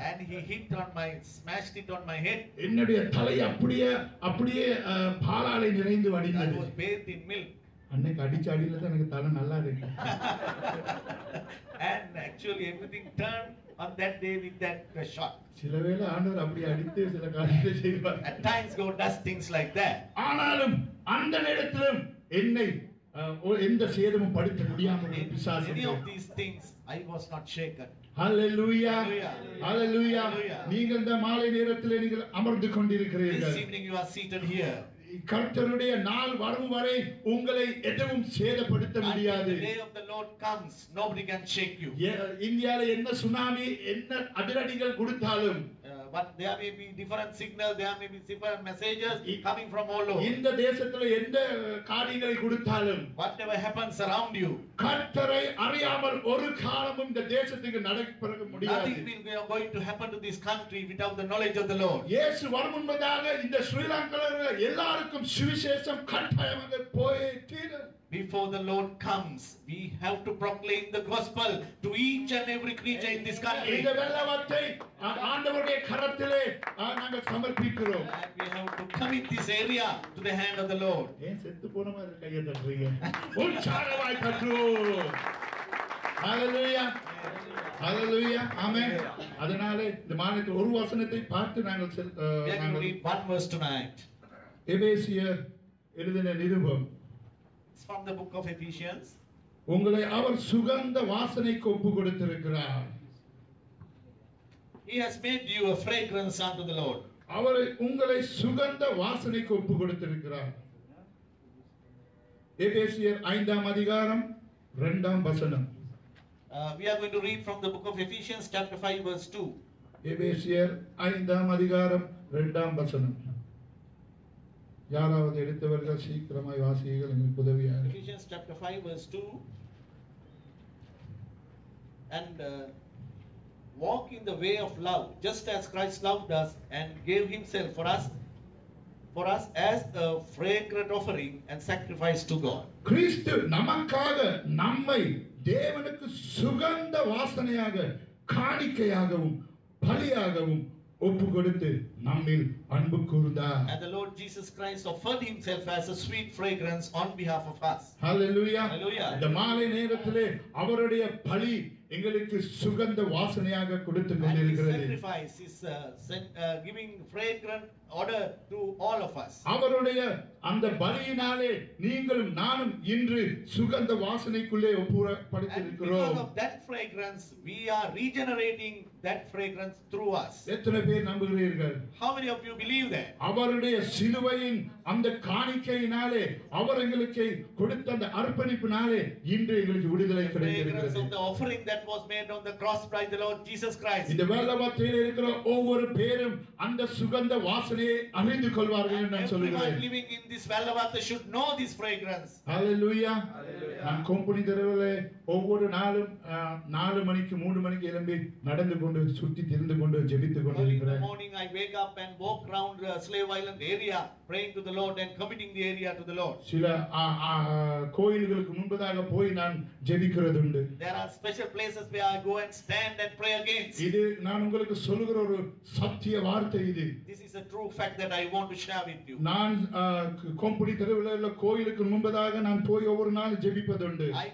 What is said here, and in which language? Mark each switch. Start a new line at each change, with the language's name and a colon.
English: and he hit on my smashed it on my head
Tamil: என்னுடைய தலை அப்படியே பாலாலே நிறைந்து வடிந்தது அன்னைக்கு அடிச்சு அடியில தான் எனக்கு தலை நல்லா இருக்கு
English: and actually everything turned on that day with that shot
Tamil: சிலவேளை ஆண்டவர் அப்படி அடித்து சில காரியத்தை செய்வார்
English: at times god does things like that
Tamil: ஆனாலும் அந்த நேரத்திலும் என்னை எந்த சேதமும் படுத்த முடியாமல் பிசாசு
English: any of these things I was not shaken
Tamil: hallelujah நீங்கள் இந்த மாலை நேரத்தில் நீங்கள் அமர்ந்து கொண்டிருக்கிறீர்கள்
English: this evening you are seated here
Tamil: கர்த்தருடைய நாள் வரும் வரை உங்களை எதுவும் சேதப்படுத்த முடியாது
English: nobody can shake you
Tamil: இந்தியாவில் என்ன சுனாமி என்ன அதிரடிகள் கொடுத்தாலும்
English: but there may be different signal, there may be different messages coming from all over.
Tamil: இந்த தேசத்துல எந்த காரியங்களை கொடுத்தாலும்
English: whatever happens around you,
Tamil: கர்த்தரை அறியாமல் ஒரு காலமும் இந்த தேசத்துக்கு நடக்க முடியாது.
English: Nothing will be going to happen to this country without the knowledge of the Lord.
Tamil: இயேசு வரும்போதாக இந்த ஸ்ரீலங்கையில எல்லாருக்கும் சுவிசேஷம் கட்டாயமாக போய் தீரும்.
English: Before the Lord comes, we have to proclaim the gospel to each and every creature in this country.
Tamil: இந்த வெள்ளவத்தை ஆண்டவருடைய கரத்திலே நாங்கள் சமர்ப்பிக்கிறோம்.
English: We have to commit this area to the hand of the Lord.
Tamil: ஏன் செத்து போன மாதிரி கையை தட்டுறீங்க? உற்சாகமாய் தட்டுவோம். ஹல்லேலூயா. Hallelujah. Amen. அதனாலே இந்த மாதிரி ஒரு வசனத்தை பார்த்து நாங்கள்
English: one verse tonight.
Tamil: எபேசியர் எழுதின நிருபம்.
English: It's from the book of Ephesians.
Tamil: உங்களை அவர் சுகந்த வாசனைக்கு ஒப்பு கொடுத்திருக்கிறார்.
English: He has made you a fragrance unto the Lord.
Tamil: அவர் உங்களை சுகந்த வாசனைக்கு ஒப்பு கொடுத்திருக்கிறார். எபேசியர் 5:2.
English: We are going to read from the book of Ephesians chapter 5 verse 2.
Tamil: எபேசியர் 5:2. யாராவது எடுத்தவர்கள் சீக்கிரமாய் வாசிகள் எங்களுக்கு உதவியாக.
English: Ephesians chapter 5 verse 2 and walk in the way of love just as Christ loved us and gave himself for us as a fragrant offering and sacrifice to God.
Tamil: கிறிஸ்து நமக்காக நம்மை தேவனுக்கு சுகந்த வாசனையாக காணிக்கையாகவும் பலியாகவும் ஒப்பு கொடுத்து நம்மில் அன்பு கூர்ந்தார்.
English: And the Lord Jesus Christ offered himself as a sweet fragrance on behalf of us. Hallelujah. Hallelujah.
Tamil: இந்த மாலை நேரத்திலே அவருடைய பலி எங்களுக்கு சுகந்த வாசனையாக கொடுத்து கொண்டிருக்கிறது.
English: His sacrifice is giving fragrant odor to all of us.
Tamil: அவருடைய அந்த பலியினாலே நீங்களும் நானும் இன்று சுகந்த வாசனைக்குள்ளே ஒப்புப்படுத்திருக்கிறோம்.
English: Because of that fragrance, we are regenerating that fragrance through us.
Tamil: எத்தனை பேர் நம்புகிறீர்கள்?
English: How many of you believe that?
Tamil: அவருடைய சிலுவையின் அந்த காணிக்கையினாலே அவர் எங்களுக்கு கொடுத்த அந்த அர்ப்பணிப்பினாலே இன்று எங்களுக்கு விடுதலை கிடைத்திருக்கிறது.
English: That was made on the cross by the Lord Jesus Christ.
Tamil: இந்த வெள்ளவத்தில் இருக்கிற ஒவ்வொரு பேரும் அந்த சுகந்த வாசனையை அறிந்து கொள்வார்கள் என்று நான் சொல்கிறேன்.
English: Everyone living in this Wellawatta should know this fragrance. Hallelujah.
Tamil: நான் கொம்புனி தெருவிலே ஒவ்வொரு நாளும் 4 மணிக்கு 3 மணிக்கு எழும்பி நடந்து கொண்டு சுற்றி திரிந்து கொண்டு ஜெபித்துக் கொண்டிருக்கிறேன்.
English: Morning I wake up and walk around Slave Island area praying to the Lord and committing the area to the Lord.
Tamil: சில கோயில்களுக்கு முன்பதாக போய் நான் ஜெபிக்கிறது உண்டு.
English: There are special places where I go and stand and pray against.
Tamil: இது நான் உங்களுக்கு சொல்லுகிற ஒரு சத்திய வார்த்தை இது.
English: This is a true fact that I want to share with you.
Tamil: நான் கொம்புனி தெருவிலே கோயிலுக்கு முன்பதாக நான் போய் ஒவ்வொரு நாளும் ஜெபிப்பது உண்டு.